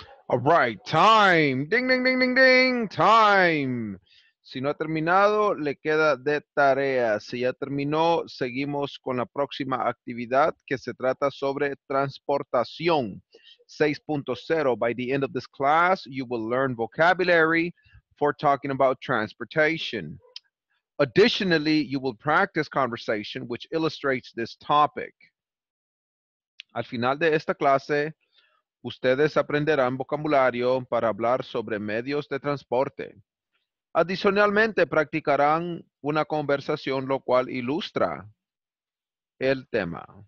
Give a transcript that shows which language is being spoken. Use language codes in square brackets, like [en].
[en] All right, time. Ding, ding, ding, ding, ding. Time. [es] Si no ha terminado, le queda de tarea. Si ya terminó, seguimos con la próxima actividad que se trata sobre transportación. 6.0. [en] By the end of this class, you will learn vocabulary for talking about transportation. Additionally, you will practice conversation, which illustrates this topic. [es] Al final de esta clase, ustedes aprenderán vocabulario para hablar sobre medios de transporte. Adicionalmente, practicarán una conversación, lo cual ilustra el tema.